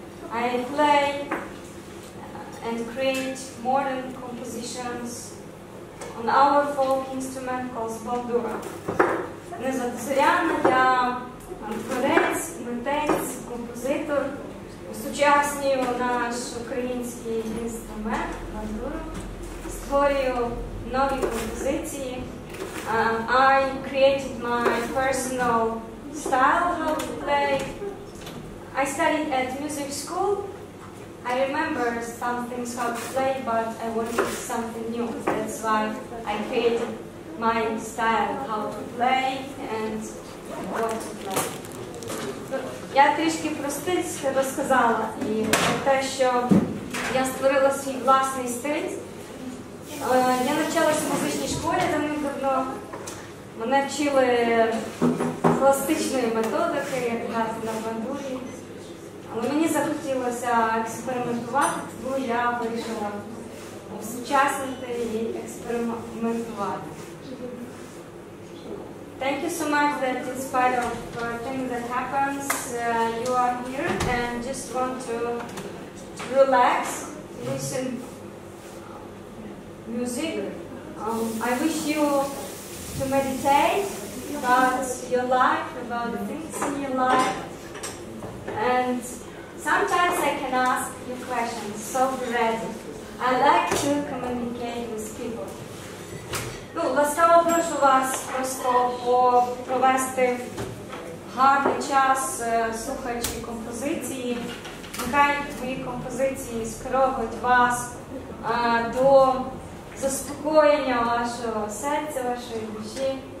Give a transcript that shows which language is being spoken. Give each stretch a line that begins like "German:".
English: I play and create modern compositions on our folk instrument called bandura.
Ukrainian: Мене звати Зоряна, я творець, митець, композитор сучасний наш український інструмент бандура. Створюю нові композиції.
English: I created my personal style how to play. I studied at music school. I remember some things how to play, but I wanted something new. That's why I created my style how to play and what to play.
Ukrainian: Я трішки простить себе сказала і про те, що я створила свій власний стиль. Я навчалася в музичній школі давним-давно. Мене вчили класичної методики, як грати на бандурі. Але мені захотілося експериментувати, тому я вирішила осучаснити і експериментувати.
English: Thank you so much that in spite of things that happens, you are here and just want to relax, listen music. I wish you to meditate about your life, about the things in your life. And sometimes I can ask you questions, so be ready. I like to communicate with people.
Ukrainian: Ну, ласкаво прошу вас просто провести гарний час, слухаючи композиції. Нехай твої композиції скеровують вас до заспокоєння вашого серця, вашої душі.